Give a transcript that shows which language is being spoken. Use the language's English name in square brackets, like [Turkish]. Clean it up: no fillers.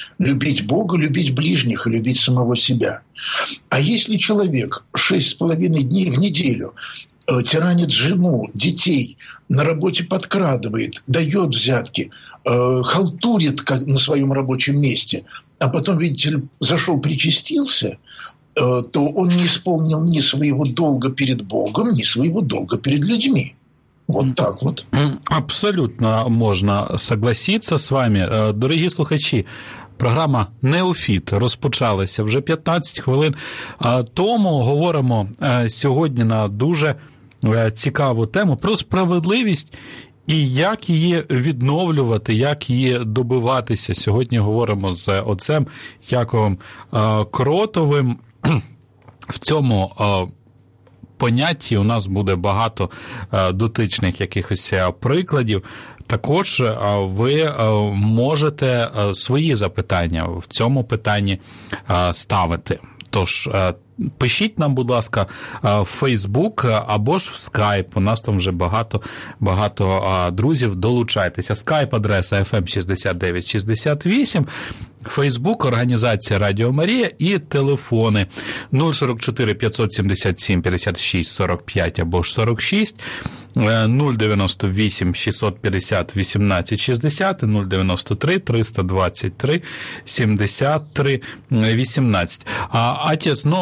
[Russian] Любить Бога, любить ближних и любить самого себя. А если человек 6,5 дней в неделю тиранит жену, детей, на работе подкрадывает, дает взятки, халтурит на своем рабочем месте, а потом, видите, зашел, причастился, то он не исполнил ни своего долга перед Богом, ни своего долга перед людьми. Вот так вот. Абсолютно можно согласиться с вами. [Ukrainian] Дорогі слухачі, програма «Неофіт» розпочалася вже 15 хвилин тому. Говоримо сьогодні на дуже цікаву тему про справедливість і як її відновлювати, як її добиватися. Сьогодні говоримо з отцем Яковом Кротовим. В цьому понятті у нас буде багато дотичних якихось прикладів. Також ви можете свої запитання в цьому питанні ставити. Тож, пишіть нам, будь ласка, в Facebook або ж в Skype. У нас там вже багато друзів. Долучайтеся. Skype-адреса FM6968, Facebook – організація Радіо Марія і телефони 044-577-56-45 або ж 46, 098-650-18-60, 093-323-73-18.